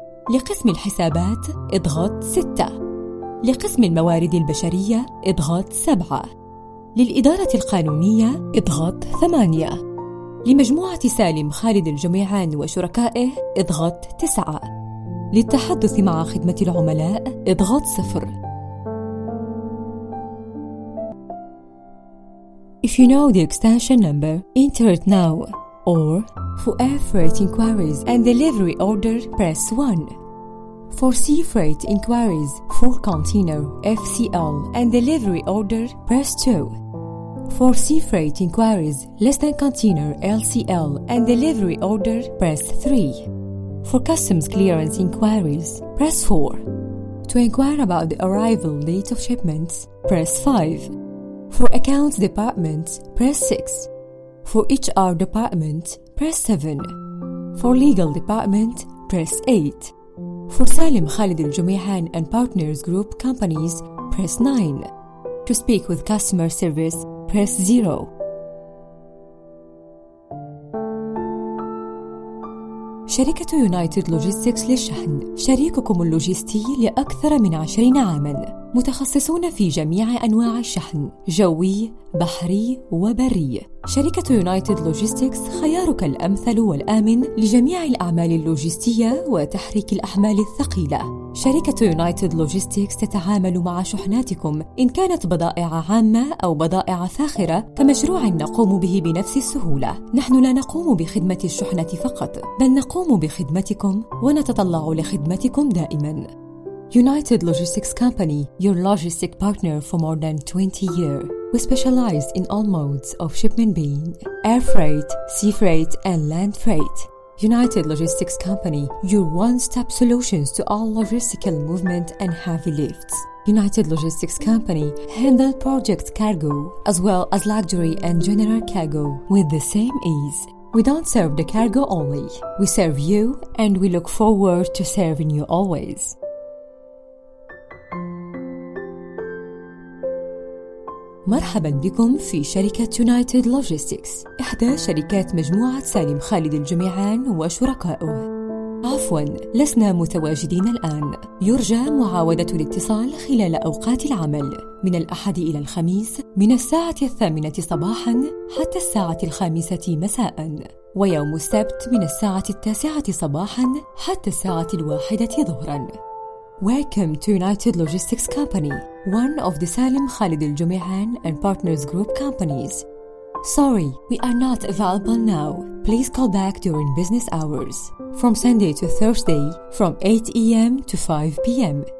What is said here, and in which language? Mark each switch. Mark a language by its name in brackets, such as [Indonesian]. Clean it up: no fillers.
[Arabic] لقسم الحسابات اضغط 6. لقسم الموارد البشرية اضغط 7. للإدارة القانونية اضغط 8. لمجموعة سالم خالد الجميعان وشركائه اضغط 9. للتحدث مع خدمة العملاء اضغط 0. [English] If you know the extension number, enter it now. Or for air freight inquiries and delivery order, press 1. For sea freight inquiries, full container, FCL and delivery order, press 2. For sea freight inquiries, less than container, LCL and delivery order, press 3. For customs clearance inquiries, press 4. To inquire about the arrival date of shipments, press 5. For accounts department, press 6. For HR department, press 7. For legal department, press 8. For Salim Khalid Al-Jumihan and Partners Group Companies, press 9. To speak with customer service, press 0. [Arabic] شركة United Logistics للشحن شريككم اللوجستي لأكثر من 20 عاماً، متخصصون في جميع أنواع الشحن جوي، بحري وبري. شركة يونايتد لوجيستكس خيارك الأمثل والآمن لجميع الأعمال اللوجستية وتحريك الأحمال الثقيلة. شركة يونايتد لوجيستكس تتعامل مع شحناتكم إن كانت بضائع عامة أو بضائع فاخرة كمشروع نقوم به بنفس السهولة. نحن لا نقوم بخدمة الشحنة فقط، بل نقوم بخدمتكم ونتطلع لخدمتكم دائماً. [English] United Logistics Company, your logistic partner for more than 20 years. We specialize in all modes of shipment being air freight, sea freight, and land freight. United Logistics Company, your one-stop solutions to all logistical movement and heavy lifts. United Logistics Company handle project cargo as well as luxury and general cargo with the same ease. We don't serve the cargo only. We serve you and we look forward to serving you always. [Arabic] مرحبا بكم في شركة يونايتد لوجيستكس، إحدى شركات مجموعة سالم خالد الجميعان وشركائه. عفوا، لسنا متواجدين الآن. يرجى معاودة الاتصال خلال أوقات العمل من الأحد إلى الخميس من الساعة 8 صباحا حتى الساعة 5 مساء، ويوم السبت من الساعة 9 صباحا حتى الساعة 1 ظهرا. [English] Welcome to United Logistics Company, one of the Salim Khalid Al-Jumihan and Partners Group companies. Sorry, we are not available now. Please call back during business hours. From Sunday to Thursday, from 8 a.m. to 5 p.m.